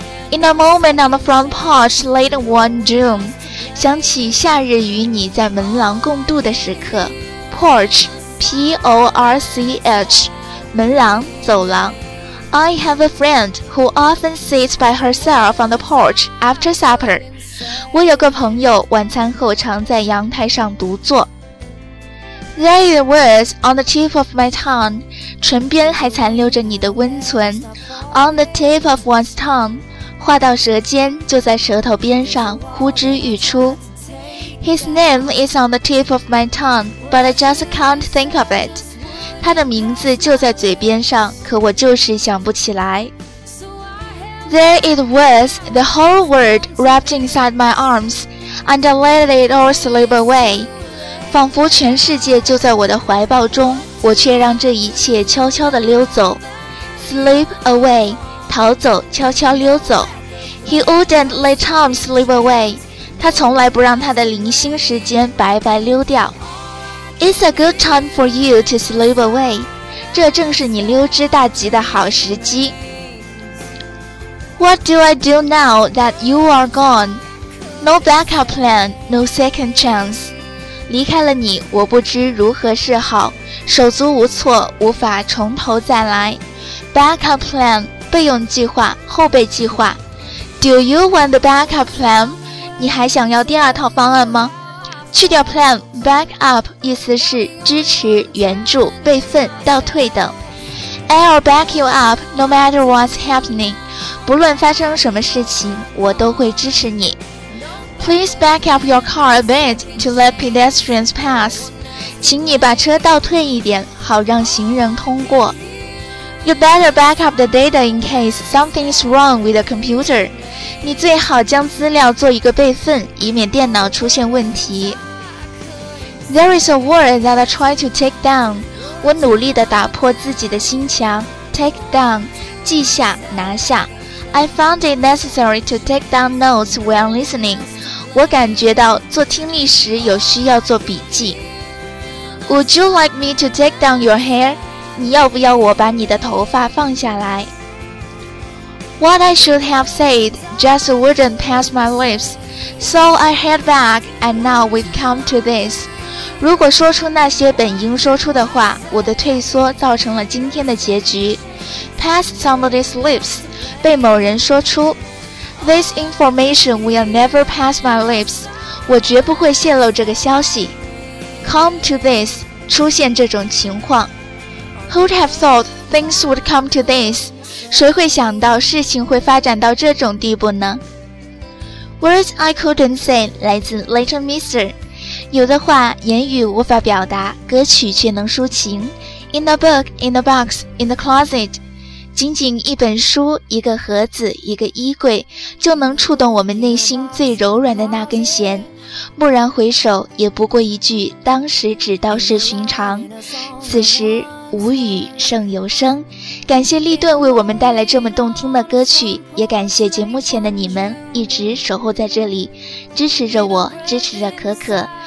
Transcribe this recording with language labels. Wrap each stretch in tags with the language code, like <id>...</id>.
<en>In a moment on the front porch late one June,</en> <zh>想起夏日与你在门廊共度的时刻。</zh> <en>Porch, P-O-R-C-H,</en> <zh>门廊走廊。</zh> <en>I have a friend who often sits by herself on the porch after supper.</en> <zh>我有个朋友晚餐后常在阳台上独坐。</zh> <en>There it was on the tip of my tongue,</en> <zh>唇边还残留着你的温存。</zh> <en>On the tip of one's tongue,</en> <zh>话到舌尖就在舌头边上呼之欲出。</zh> <en>His name is on the tip of my tongue, but I just can't think of it.</en> <zh>他的名字就在嘴边上，可我就是想不起来。</zh> <en>There it was, the whole world wrapped inside my arms, and I let it all slip away.</en> <zh>仿佛全世界就在我的怀抱中，我却让这一切悄悄地溜走。 Slip away, 逃走，悄悄溜走。</zh> <en>He wouldn't let time slip away,</en> <zh>他从来不让他的零星时间白白溜掉。</zh> <en>It's a good time for you to slip away,</en> <zh>这正是你溜之大吉的好时机。</zh> <en>What do I do now that you are gone? No backup plan, no second chance.</en> <zh>离开了你，我不知如何是好，手足无措，无法从头再来。 Backup plan, 备用计划，后备计划。</zh> <en>Do you want the backup plan?</en> <zh>你还想要第二套方案吗？去掉 plan, back up 意思是支持、援助、备份、倒退等。</zh> <en>I'll back you up no matter what's happening,</en> <zh>不论发生什么事情，我都会支持你。</zh> <en>Please back up your car a bit to let pedestrians pass.</en> <zh>请你把车倒退一点，好让行人通过。</zh> <en>You better back up the data in case something's wrong with the computer.</en> <zh>你最好将资料做一个备份，以免电脑出现问题。</zh> <en>There is a wall that I try to take down.</en> <zh>我努力地打破自己的心墙。</zh> <en>Take down, 记下，拿下。I found it necessary to take down notes while listening.</en> <zh>我感觉到做听力时有需要做笔记。</zh> <en>Would you like me to take down your hair?</en> <zh>你要不要我把你的头发放下来？</zh> <en>What I should have said just wouldn't pass my lips, so I held back and now we've come to this.</en> <zh>如果说出那些本应说出的话，我的退缩造成了今天的结局。 Pass somebody's lips, 被某人说出。</zh> <en>This information will never pass my lips.</en> <zh>我绝不会泄露这个消息。 Come to this, 出现这种情况。</zh> <en>Who'd have thought things would come to this?</en> <zh>谁会想到事情会发展到这种地步呢？</zh> <en>Words I couldn't say, 来自 Little Mister.</en> <zh>有的话言语无法表达，歌曲却能抒情。</zh> <en>In a book, in a box, in the closet.</en> <zh>仅仅一本书，一个盒子，一个衣柜，就能触动我们内心最柔软的那根弦。蓦然回首，也不过一句当时只道是寻常，此时无语胜有声。感谢立顿为我们带来这么动听的歌曲，也感谢节目前的你们一直守候在这里，支持着我，支持着可可。</zh>